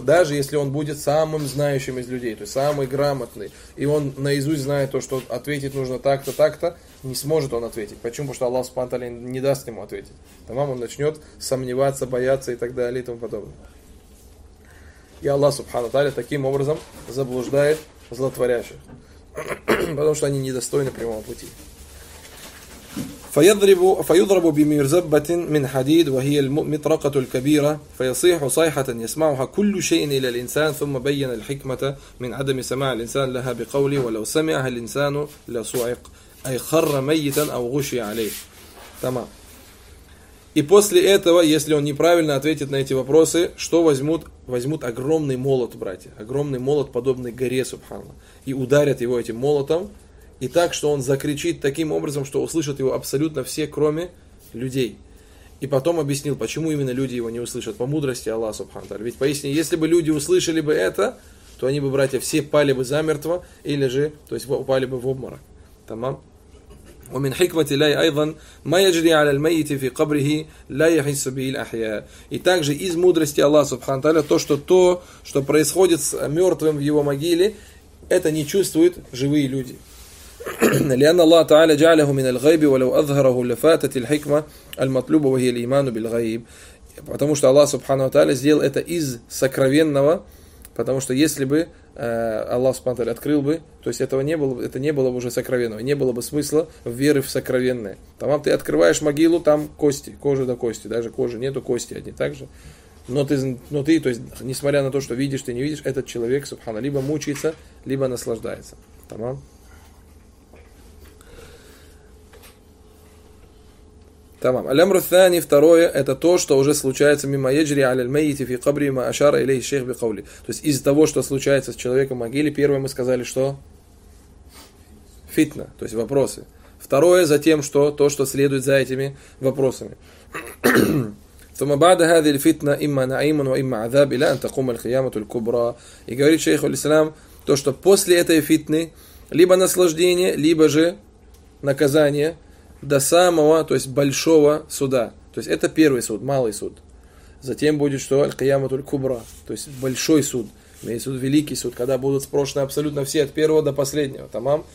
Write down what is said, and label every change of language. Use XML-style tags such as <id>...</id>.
<ru>Даже если он будет самым знающим из людей, то есть самый грамотный, и он наизусть знает то, что ответить нужно так-то, так-то, не сможет он ответить. Почему? Потому что Аллах Субхана ва Тааля не даст ему ответить. Тамам, он начнет сомневаться, бояться и так далее и тому подобное. И Аллах Субхана ва Тааля таким образом заблуждает злотворящих, потому что они недостойны прямого пути.</ru> <ar>فيضرب بمرزبة من حديد وهي المطرقة الكبيرة فيصيح صيحة يسمعها كل شيء إلى الإنسان. ثم بين الحكمة من عدم سماع الإنسان لها بقوله ولو سمعها الإنسان لصعق, أي خر ميتا أو غشي عليه. تمام.</ar> <ru>И после этого, если он неправильно ответит на эти вопросы, что возьмут? Возьмут огромный молот, братья. Огромный молот, подобный горе, субханна. И ударят его этим молотом. И так, что он закричит таким образом, что услышат его абсолютно все, кроме людей. И потом объяснил, почему именно люди его не услышат. По мудрости Аллаха, субханна. Ведь поистине, если бы люди услышали бы это, то они бы, братья, все пали бы замертво, или же, то есть, упали бы в обморок. Тамам.</ru> <ar>ومن حكمة الله أيضا ما يجري على الميت في قبره لا يحس به الأحياء.</ar> <ru>И также из мудрости Аллаха Субхану Тааля то, что происходит с мертвым в его могиле, это не чувствуют живые люди.</ru> <ar>لأن الله تعالى جعله من الغيب ولو أظهره لفاتت الحكمة المطلوبة وهي الإيمان بالغيب.</ar> <ru>Потому что Аллах Субхану Тааля сделал это из сокровенного, потому что если бы Аллах Субхану Тааля открыл бы, то есть этого не было, это не было бы уже сокровенного, не было бы смысла веры в сокровенное. Там ты открываешь могилу, там кости, кожа до кости, даже кожи нету, кости одни также. Но ты, то есть, несмотря на то, что видишь, ты не видишь, этот человек, субхана, либо мучается, либо наслаждается. Тамам. Тамам.</ru> <ar>Алямру Тани,</ar> <ru>второе, это то, что уже случается</ru> <ar>мимо еджри аль-мейти фи кабри ма ашара илей шейх бихаули.</ar> <ru>То есть из-за того, что случается с человеком в могиле, первое мы сказали, что фитна, то есть вопросы. Второе, затем что? То, что следует за этими вопросами.</ru> <ar>ثم بعد هذه الفتنة إما نعيم وإما عذاب إلى أن تقوم القيامة الكبرى.</ar> <ru>И говорит шейх аль-Ислам, то, что после этой фитны либо наслаждение, либо же наказание до самого, то есть большого суда. То есть это первый суд, малый суд. Затем будет что? Аль-Кияма Туль-Кубра. То есть большой суд. Имеется в виду великий суд, когда будут спрошены абсолютно все от первого до последнего. Тамам.</ru>